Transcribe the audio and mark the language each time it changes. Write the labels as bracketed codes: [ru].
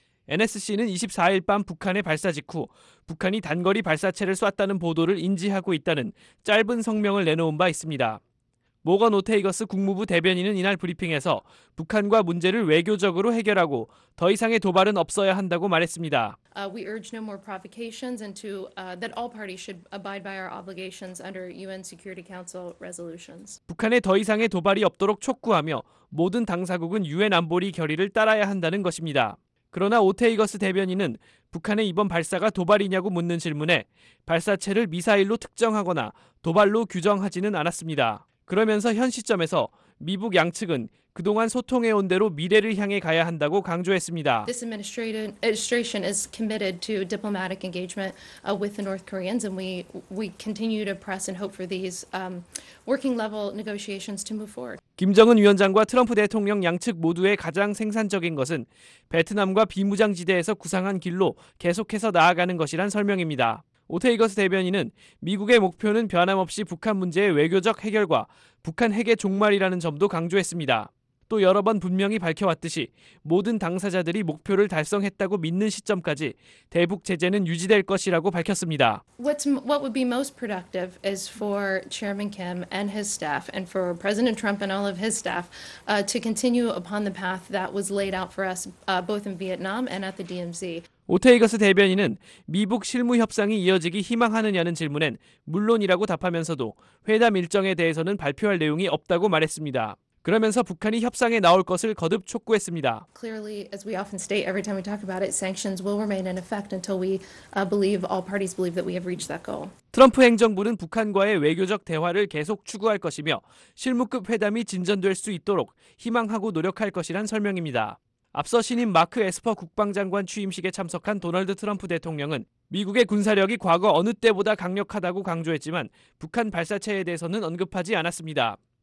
[ko] NSC는 24일 밤 북한의 발사 직후 북한이 단거리 발사체를 쐈다는 보도를 인지하고 있다는 짧은 성명을 내놓은 바 있습니다. 모건 오테이거스 국무부 대변인은 이날 브리핑에서 북한과 문제를 외교적으로 해결하고 더 이상의 도발은 없어야 한다고 말했습니다. [en] We urge no more provocations and to that all parties should abide by our obligations under UN Security Council resolutions. [ko] 북한의 더 이상의 도발이 없도록 촉구하며 모든 당사국은 UN 안보리 결의를 따라야 한다는 것입니다. 그러나 오테이거스 대변인은 북한의 이번 발사가 도발이냐고 묻는 질문에 발사체를 미사일로 특정하거나 도발로 규정하지는 않았습니다. 그러면서 현 시점에서 미북 양측은 그동안 소통해온 대로 미래를 향해 가야 한다고 강조했습니다. [en] This administration is committed to diplomatic engagement with the North Koreans and we continue to press and hope for these working level negotiations to move forward. [ko] 김정은 위원장과 트럼프 대통령 양측 모두의 가장 생산적인 것은 베트남과 비무장지대에서 구상한 길로 계속해서 나아가는 것이란 설명입니다. 오테이거스 대변인은 미국의 목표는 변함없이 북한 문제의 외교적 해결과 북한 핵의 종말이라는 점도 강조했습니다. 또 여러 번 분명히 밝혀왔듯이 모든 당사자들이 목표를 달성했다고 믿는 시점까지 대북 제재는 유지될 것이라고 밝혔습니다. [en] What would be most productive is for Chairman Kim and his staff and for President Trump and all of his staff to continue upon the path that was laid out for us both in Vietnam and at the DMZ. [ko] 오테이거스 대변인은 미북 실무 협상이 이어지기 희망하느냐는 질문엔 물론이라고 답하면서도 회담 일정에 대해서는 발표할 내용이 없다고 말했습니다. 그러면서 북한이 협상에 나올 것을 거듭 촉구했습니다. [en] Clearly, as we often state every time we talk about it, sanctions will remain in effect until we believe all parties believe that we have reached that goal. [ko] 트럼프 행정부는 북한과의 외교적 대화를 계속 추구할 것이며 실무급 회담이 진전될 수 있도록 희망하고 노력할 것이란 설명입니다. 앞서 신임 마크 에스퍼 국방장관 취임식에 참석한 도널드 트럼프 대통령은 미국의 군사력이 과거 어느 때보다 강력하다고 강조했지만 북한 발사체에 대해서는 언급하지 않았습니다.